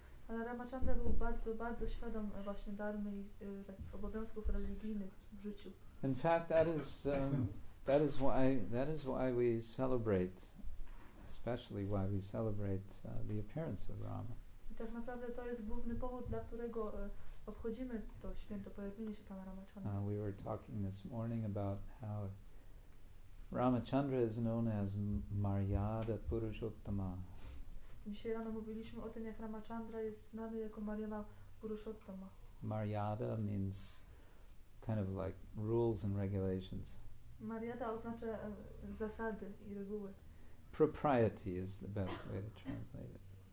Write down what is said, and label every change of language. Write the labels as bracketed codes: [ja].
[pl] Ale Ramachandra był bardzo, bardzo świadom właśnie dharmy i takich obowiązków religijnych w życiu. [en] In fact, that is why we celebrate, especially why we celebrate the appearance of Rama. [pl] Tak naprawdę to jest główny powód, dla którego obchodzimy to święto, pojawienie się Pana Ramachandry. [en] We were talking this morning about how Ramachandra is known as Maryada Purushottama. [pl] Dzisiaj rano mówiliśmy o tym, jak Ramachandra jest znany jako Maryada Purushottama. [en] Maryada means kind of like rules and regulations. [pl] Maryada oznacza zasady i reguły. [en] Propriety is the best way to translate it.